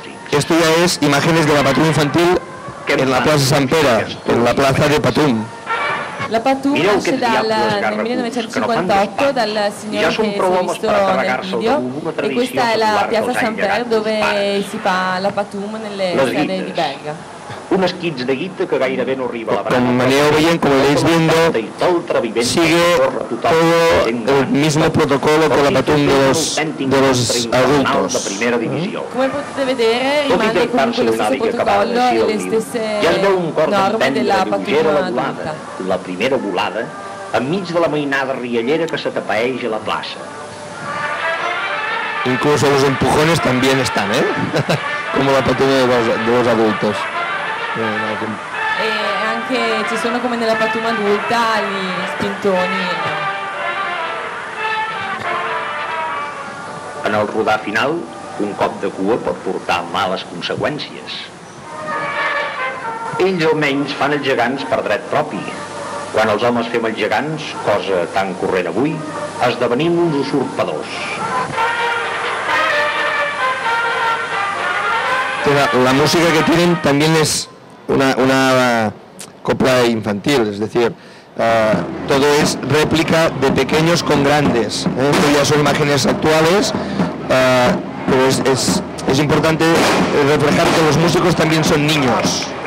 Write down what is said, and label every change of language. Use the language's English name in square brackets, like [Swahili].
[Spanish] Esto ya es imágenes de la Patum infantil en la Plaza San Pere, en la Plaza de Patum. [Italian] La Patum nasce nel 1958 dal signore che si è visto nel video, e questa è la Piazza San Pere dove si fa la Patum nelle strade di Berga. [Catalan] Un esquiz de guita que gairebé no arriba a la [Spanish] brana. Com aneu veient, com l'heu viendo, sigue todo el mismo protocolo que la Patum de los adultos. [Italian] Com potete vedere, rimane comunque lo stesso protocollo e le stesse norme della Patum adulta. [Catalan] La primera volada, enmig de la mainada riallera que s'atapeeix a la plaça. [Spanish] Incluso los empujones también están, ¿eh? Como la Patum de los adultos. [Italian] E anche ci sono, come nella Patum adulta, gli spintoni. [Catalan] En el rodar final, un cop de cua pot portar males conseqüències. Ells almenys fan els gegants per dret propi. Quan els homes fem els gegants, cosa tan corrent avui, esdevenim uns usurpadors. [Spanish] La música que tenen també és una copla infantil, es decir, todo es réplica de pequeños con grandes, ¿eh? Ya son imágenes actuales, pero es importante reflejar que los músicos también son niños.